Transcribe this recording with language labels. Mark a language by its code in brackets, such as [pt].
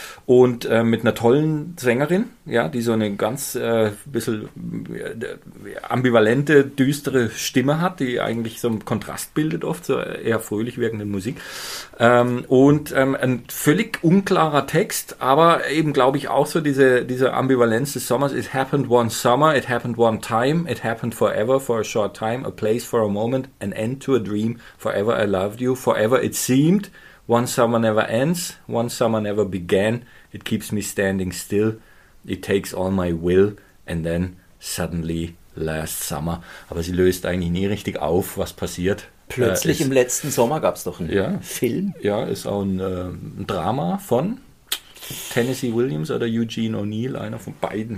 [de] Und mit einer tollen Sängerin, ja, die so eine ganz bisschen ambivalente, düstere Stimme hat, die eigentlich so einen Kontrast bildet oft, so eher fröhlich wirkende Musik. Ein völlig unklarer Text, aber eben, glaube ich, auch so diese Ambivalenz des Sommers. [en] It happened one summer, it happened one time, it happened forever. For a short time, a place for a moment, an end to a dream, forever I loved you, forever it seemed, one summer never ends, one summer never began, it keeps me standing still, it takes all my will, and then suddenly last summer. [de] Aber sie löst eigentlich nie richtig auf, was passiert. Plötzlich im letzten Sommer gab es doch einen Film. Ja, ist auch ein Drama von Tennessee Williams oder Eugene O'Neill, einer von beiden,